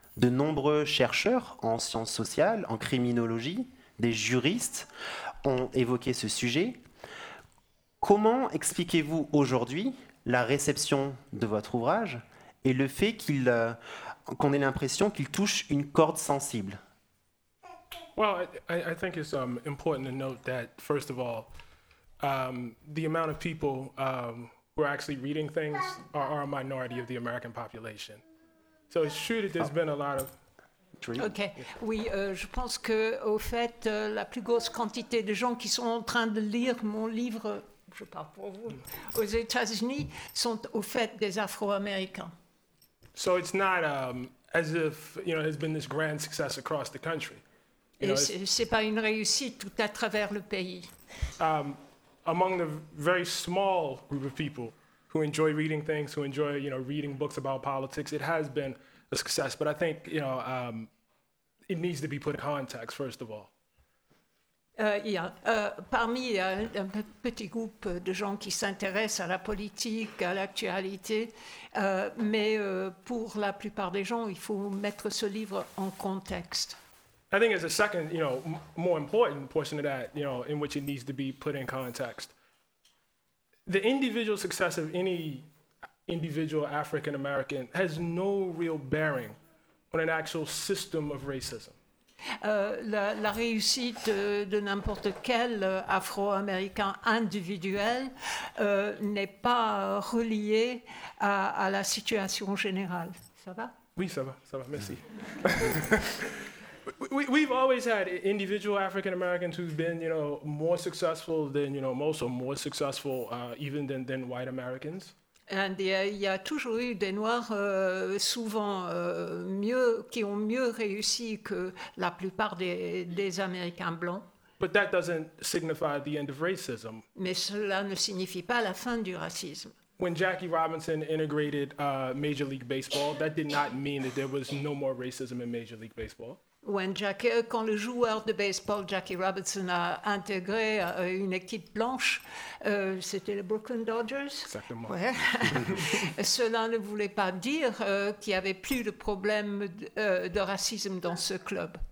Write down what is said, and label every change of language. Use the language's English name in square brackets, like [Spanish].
[French] De nombreux chercheurs en sciences sociales, en criminologie, des juristes ont évoqué ce sujet. Comment expliquez-vous aujourd'hui la réception de votre ouvrage et le fait qu'on ait l'impression qu'il touche une corde sensible? [English] Well, I think it's important to note that, first of all, the amount of people who are actually reading things are a minority of the American population. So it's true that there's been a lot of... [French] Ok. Oui, je pense que, au fait, la plus grosse quantité de gens qui sont en train de lire mon livre, je parle pour vous, aux États-Unis, sont au fait des Afro-Américains. [English] So it's not as if, you know, there's been this grand success across the country. You know, [French] c'est pas une réussite tout à travers le pays. [English] Among the very small group of people who enjoy reading things, who enjoy, you know, reading books about politics, it has been a success. But I think, you know, it needs to be put in context, first of all. [French] Parmi un petit groupe de gens qui s'intéressent à la politique, à l'actualité, mais pour la plupart des gens, il faut mettre ce livre en contexte. [English] I think there's a second, you know, more important portion of that, you know, in which it needs to be put in context. The individual success of any individual African American has no real bearing on an actual system of racism. [French] La réussite de n'importe quel Afro-Américain individuel n'est pas reliée à la situation générale. Ça va? Oui, ça va, merci. [English] We've always had individual African Americans who've been, you know, more successful than, you know, most, or more successful even than white Americans. [French] And il y a toujours eu des noirs souvent mieux qui ont mieux réussi que la plupart des Américains blancs. [English] But that doesn't signify the end of racism. [French] Mais cela ne signifie pas la fin du racisme. [English] When Jackie Robinson integrated Major League Baseball, that did not mean that there was no more racism in Major League Baseball. [French] Quand le joueur de baseball Jackie Robinson a intégré une équipe blanche, c'était les Brooklyn Dodgers. Exactement. Ouais. Cela ne voulait pas dire qu'il n'y avait plus de problème de racisme dans ce club.